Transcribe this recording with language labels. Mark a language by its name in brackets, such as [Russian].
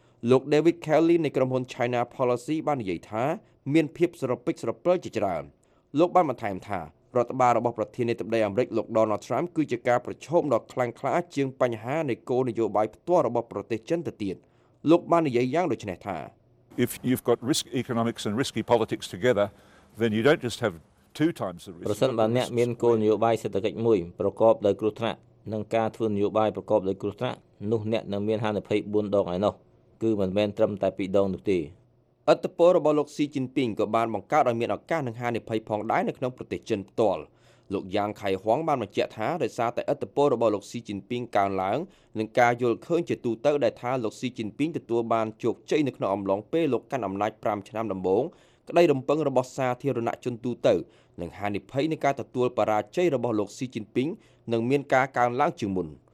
[Khmer] លោក David Kelly នៃក្រុមហ៊ុន China Policy បាននិយាយថាមានភាពស្រពិចស្រពិលជាច្រើនលោកបានបន្ថែមថារដ្ឋបាលរបស់ប្រធានាធិបតីអាមេរិកលោក Donald Trump គឺជាការប្រឈមដ៏ខ្លាំងក្លាជាងបញ្ហានៃគោលនយោបាយផ្ទាល់របស់ប្រទេសចិនទៅទៀតលោកបាននិយាយយ៉ាងដូចនេះថា [English] If you've got risk economics and risky politics together then you don't just have two times the risk [Khmer] ប្រសិនបើអ្នកមានគោលនយោបាយសេដ្ឋកិច្ចមួយប្រកបដោយគ្រោះថ្នាក់ និងការធ្វើនយោបាយប្រកបដោយគ្រោះថ្នាក់នោះអ្នកនឹងមានហានិភ័យ4ដងឯណោះគឺមិនមែនត្រឹមតែ2ដងនោះទេ អត្តពលរបស់លោកស៊ីជីនពីងក៏បានបង្កើតឲ្យមានឱកាសនឹងហានិភ័យផងដែរនៅក្នុងប្រទេសចិនផ្ទាល់លោកយ៉ាងខៃហ្វងបានបញ្ជាក់ថាដោយសារតែអត្តពលរបស់លោកស៊ីជីនពីងកើនឡើងនឹងការយល់ឃើញជាទូទៅដែលថាលោកស៊ីជីនពីងទទួលបានជោគជ័យនៅក្នុងអំឡុងពេលលោកកាន់អំណាច5ឆ្នាំដំបូងក្តីរំពឹងរបស់សាធារណជនទូទៅនឹងហានិភ័យនៃការទទួលបរាជ័យរបស់លោកស៊ីជីនពីងនឹងមានការកើនឡើងជាងមុន